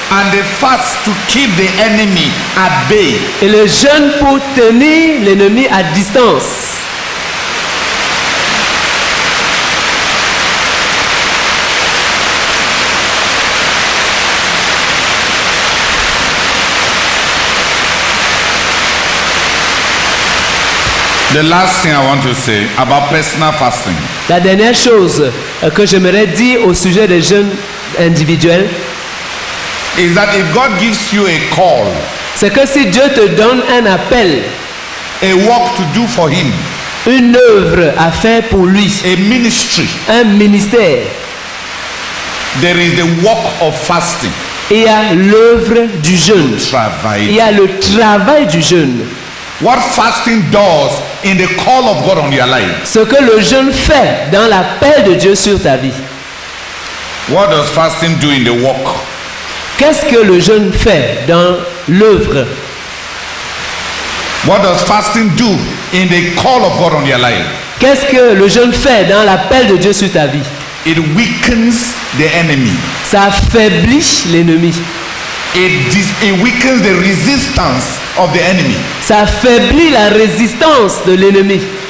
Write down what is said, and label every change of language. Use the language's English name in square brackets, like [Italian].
[English] And the fast to keep the enemy at bay. [French] Et le jeûne pour tenir l'ennemi à distance. [English] The last thing I want to say about personal fasting. [French] La dernière chose que j'aimerais dire au sujet des jeûnes individuels. [English] Is that if God gives you a call. [French] C'est que si Dieu te donne un appel. [English] A work to do for him. [French] Une œuvre à faire pour lui. [English] A ministry. [French] Un ministère. [English] There is the work of fasting. [French] Il y a l'œuvre du jeûne. Il y a le travail du jeûne. [English] What fasting does in the call of God on your life? [French] Ce que le jeûne fait dans l'appel de Dieu sur ta vie. [English] What does fasting do in the work? [French] Qu'est-ce que le jeûne fait dans l'œuvre? [English] What does fasting do in the call of God on your life? [French] Qu'est-ce que le jeûne fait dans l'appel de Dieu sur ta vie? [English] It weakens the enemy. [French] Ça affaiblit l'ennemi. [English] It weakens the resistance of the enemy. [French] Ça affaiblit la résistance de l'ennemi.